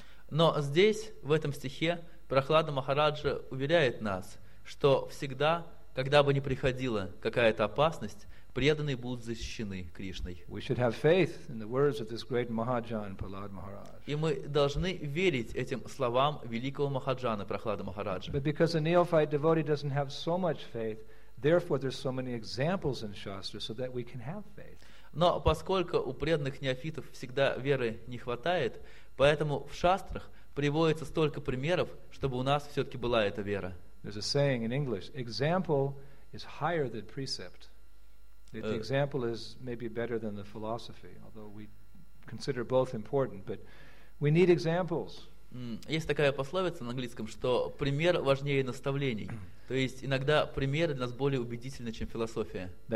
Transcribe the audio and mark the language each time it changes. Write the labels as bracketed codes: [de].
[ru] Но здесь, в этом стихе, Прахлада Махараджа уверяет нас, что всегда, когда бы ни приходила какая-то опасность, преданные будут защищены Кришной. [en] We should have faith in the words of this great Mahajan, Prahlad Maharaj. [ru] И мы должны верить этим словам великого Махаджана, Прахлада Махараджа. [en] But because a neophyte devotee doesn't have so much faith, therefore there's so many examples in Shastra so that we can have faith. [ru] Но поскольку у преданных неофитов всегда веры не хватает, поэтому в шастрах приводится столько примеров, чтобы у нас все-таки была эта вера. [en] There's a saying in English: example is higher than precept. The example is maybe better than the philosophy, although we consider both important. But we need examples. [ru] Есть такая пословица на английском, что пример важнее наставлений. То есть иногда примеры для нас более убедительны, чем философия.